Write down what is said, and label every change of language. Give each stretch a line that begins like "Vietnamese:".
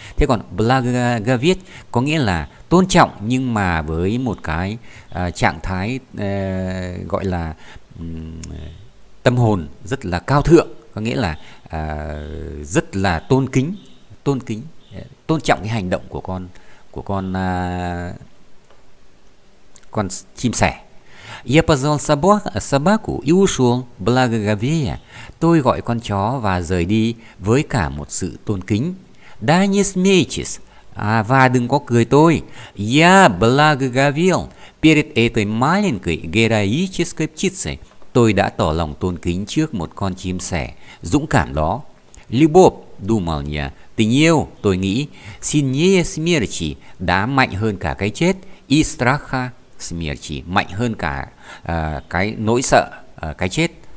Vietnamese: Thế còn blagoveć có nghĩa là tôn trọng nhưng mà với một cái trạng thái gọi là tâm hồn rất là cao thượng, có nghĩa là rất là tôn kính, tôn kính, tôn trọng cái hành động của con chim sẻ.
Russian: Я позвал собаку и ушел благоговея.
Vietnamese: Tôi gọi con chó và rời đi với cả một sự tôn kính.
Russian: Да не смейтесь,
Vietnamese: và đừng có cười tôi.
Russian: Я благоговел перед этой маленькой героической птицей.
Vietnamese: Tôi đã tỏ lòng tôn kính trước một con chim sẻ dũng cảm đó.
Russian: Любов, думал я,
Vietnamese: tình yêu, tôi nghĩ,
Russian: сильнее смерти,
Vietnamese: đã mạnh hơn cả cái chết.
Russian: И страха смерти,
Vietnamese: mạnh hơn cả cái nỗi sợ cái chết.